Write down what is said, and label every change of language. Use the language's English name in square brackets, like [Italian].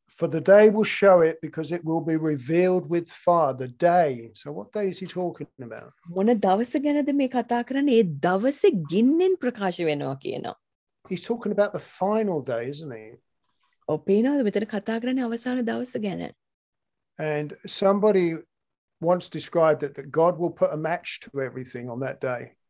[English] For the day will show it because it will be revealed with fire. The day. So what day is he talking about? [Sinhala] මොන දවස ගැනද මේ කතා කරන්නේ? ඒ දවසේ ගින්නෙන් ප්‍රකාශ වෙනවා කියනවා. [English] He's talking about the final day, isn't he? [Sinhala] ඔව් පේනවාද මෙතන කතා කරන්නේ අවසාන දවස ගැන. [English] And somebody once described it that God will put a match to everything on that day.